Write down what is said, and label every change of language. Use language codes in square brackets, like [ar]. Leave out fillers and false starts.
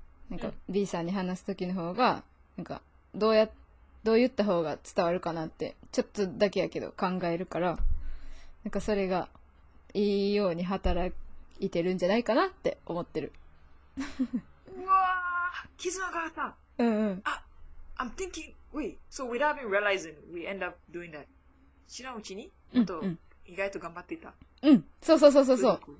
[ja] なんか B さんに話すときの方がなんかどう言った方が伝わるかなってちょっとだけやけど考えるから、なんかそれがいいように働いてるんじゃないかなって思ってる。うわー、絆があった。 [en] あ、I'm thinking, wait, so without even realizing, we end up doing that. [ja] 知らんうちに、あと意外と頑張っていた。うん、そうそうそうそうそう。